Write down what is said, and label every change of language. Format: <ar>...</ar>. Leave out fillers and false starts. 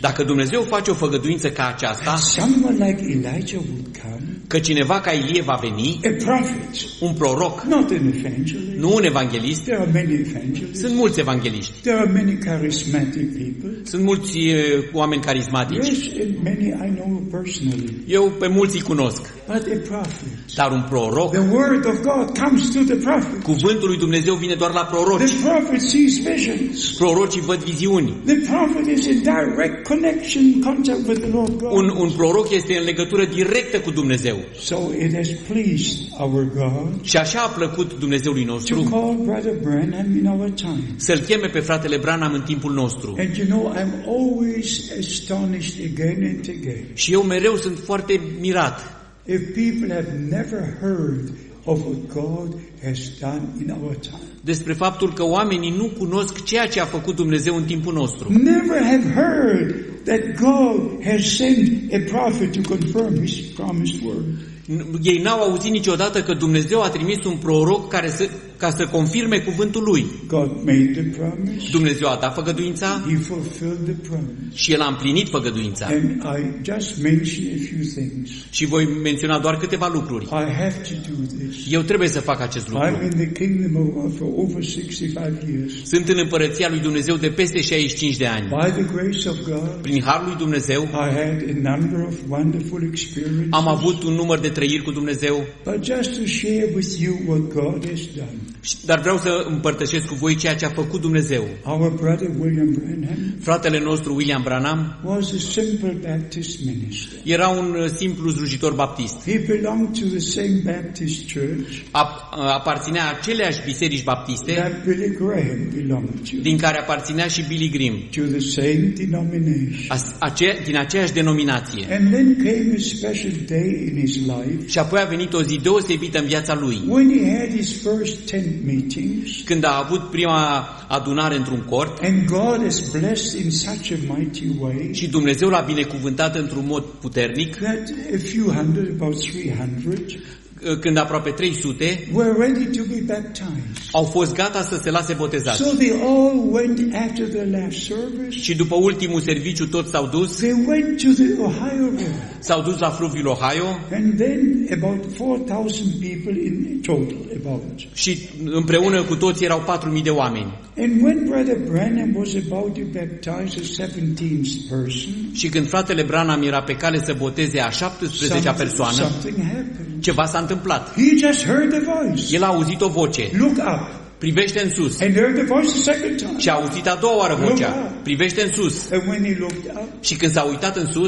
<ro>dacă Dumnezeu face o făgăduință ca aceasta,</ro> <en>someone like Elijah would come,</en> <ro>că cineva ca Ilie va veni,</ro> <en>a prophet,</en> <ro>un proroc,</ro> <en>not an evangelist,</en> <ro>nu un evanghelist,</ro> <en>there are many evangelists,</en> <ro>sunt mulți evangeliști,</ro> <en>there are many charismatic people,</en> <ro>sunt mulți oameni carismatici.</ro> <en>Yes, and many I know personally.</en> <ro>Eu pe mulți îi cunosc.</ro> <en>But a prophet,</en> <ro>dar un proroc,</ro> <en>the word of God comes to the prophet.</en> <ro>Cuvântul lui Dumnezeu vine doar la proroci.</ro> <en>The prophet sees visions.</en> <ro>Prorocii văd viziuni.</ro> <en>The prophet is in direct connection, contact with the Lord God.</en> <ro>Un proroc este în legătură directă cu Dumnezeu.</ro> <en>So it has pleased our God.</en> <ro>Și așa a plăcut Dumnezeului nostru.</ro> <en>To call Brother Branham in our time.</en> <ro>Să-l cheme pe fratele Branham în timpul nostru.</ro> <en>And you know, I'm always astonished again and again.</en> <ro>Și eu mereu sunt foarte mirat.</ro> <en>If people have never heard of what God has done in our time.</en> <ro>Despre faptul că oamenii nu cunosc ceea ce a făcut Dumnezeu în timpul nostru.</ro> <en>Never have heard that God has sent a prophet to confirm his promised word.</en> <ro>Ei n-au auzit niciodată că Dumnezeu a trimis un proroc care să, ca să confirme cuvântul lui.</ro> <en>God made the promise,</en> <ro>Dumnezeu a dat făgăduința,</ro> <en>he fulfilled the promise,</en> <ro>și el a împlinit făgăduința.</ro> <en>And I just mention a few things.</en> <ro>Și voi menționa doar câteva lucruri.</ro> <en>I have to do this.</en> <ro>Eu trebuie să fac acest lucru.</ro> <en>I'm in the kingdom of God for over 65 years.</en> <ro>Sunt în împărăția lui Dumnezeu de peste 65 de ani.</ro> <en>By the grace of God,</en> <ro>prin harul lui Dumnezeu,</ro> <en>I had a number of wonderful experiences.</en> <ro>Am avut un număr de trăiri cu Dumnezeu.</ro> <en>But just to share with you what God has done.</en> <ro>Dar vreau să împărtășesc cu voi ceea ce a făcut Dumnezeu.</ro> <en>Our brother William Branham,</en> <ro>fratele nostru William Branham,</ro> <en>was a simple Baptist minister.</en> <ro>Era un simplu slujitor baptist.</ro> <en>He belonged to the same Baptist church.</en> <ro>Aparținea aceleași biserici baptiste.</ro> <en>That Billy Graham belonged to.</en> <ro>Din care aparținea și Billy Graham.</ro> <en>To the same denomination.</en> <ro>Din aceeași denominație.</ro> <en>And then came a special day in his life.</en> <ro>Și apoi a venit o zi deosebită în viața lui.</ro> <en>When he had his first tent meetings,</en> <ro>când a avut prima adunare într-un cort,</ro> <en>and God has blessed in such a mighty way,</en> <ro>și Dumnezeu l-a binecuvântat într-un mod puternic,</ro> <en>that a few hundred, about 300,</en> <ro>când aproape 300,</ro> <en>were ready to be baptized.</en> <ro>Au fost gata să se lase botezați.</ro> <en>So they all went after the last service.</en> <ro>Și după ultimul serviciu toți s-au dus.</ro> <en>They went to the Ohio River.</en> <ro>S-au dus la fluviul Ohio.</ro> <en>And then about 4,000 people in total, about.</en> <ro>Și împreună cu toți erau 4,000 de oameni.</ro> <en>And when Brother Branham was about to baptize a 17th person,</en> <ro>și când fratele Branham era pe cale să boteze a 17-a persoană,</ro> <en>something happened.</en> <ro>Ceva s-a întâmplat.</ro> <en>He just heard the voice.</en> <ro>El a auzit o voce.</ro> <en>Look up.</en> <ro>Privește în sus.</ro> <en>And heard the voice a second time.</en> <ro>Și a auzit a doua oară vocea. Privește în sus.</ro> <en>And when he looked up,</en> <ro>și când s-a uitat în sus,</ro>